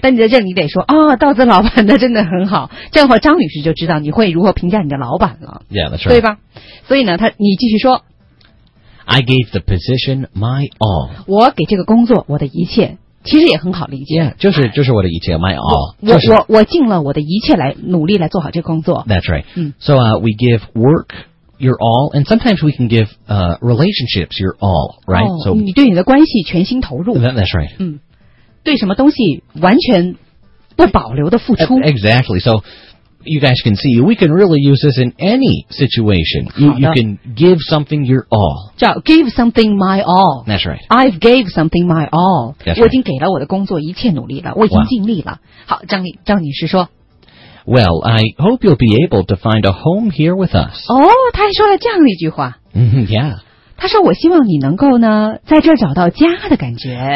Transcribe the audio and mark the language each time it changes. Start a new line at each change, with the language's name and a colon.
Chinese: 但你在这里得说哦道兹老板他真的很好这样的话张女士就知道你会如何评价你的老板了
English: Yeah that's right
Chinese: 对吧所以呢他你继续说
English: I gave the position my all
Chinese: 我给这个工作我的一切其实也很好理解 yeah, 就是我的一切
English: my all
Chinese: 我尽了我的一切来努力来做好这个工作
English: That's right、嗯、 So we give work your all And sometimes we can give relationships your all right?
Chinese: 哦、so, 你对你的关系全心投入
English: That's right、
Chinese: 嗯、对什么东西完全不保留的付出
English: Exactly So you guys can see We can really use this in any situation You can give something your all 叫 give something my all That's right I've gave something my all、 right.
Chinese: 我已经给了我的工作一切努力了我已经尽力了、wow. 好张女士说
English: Well, I hope you'll be able to find a home here with us
Chinese: 哦、oh, 他还说了这样的一句话
English: Yeah
Chinese: 他说我希望你能够呢在这儿找到家的感觉